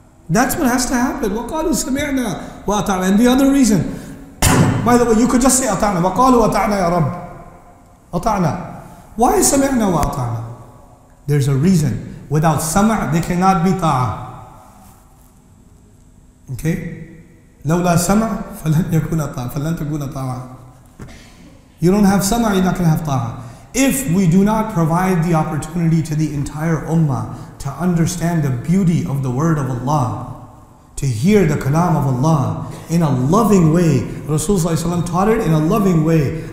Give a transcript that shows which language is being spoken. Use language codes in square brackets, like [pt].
[en] That's what has to happen. [ar] وَقَالُوا سَمِعْنَا وَأَطَعْنَا. [en] And the other reason, by the way, you could just say [ar] أَطَعْنَا. وَقَالُوا أَطَعْنَا يَا رَبِّ. أَطَعْنَا. [en] Why is [ar] سَمِعْنَا وَأَطَعْنَا? [en] There's a reason. Without سَمَعْ, they cannot be ta'a. Okay? [ar] لَوْلَا سَمَعْ فَلَنْ يَكُونَ ta'a. فَلَنْ تَكُونَ ta'a. [en] You don't have سَمَعْ, you're not going to have ta'a. If we do not provide the opportunity to the entire ummah to understand the beauty of the word of Allah, to hear the kalam of Allah in a loving way, Rasulullah ﷺ taught it in a loving way.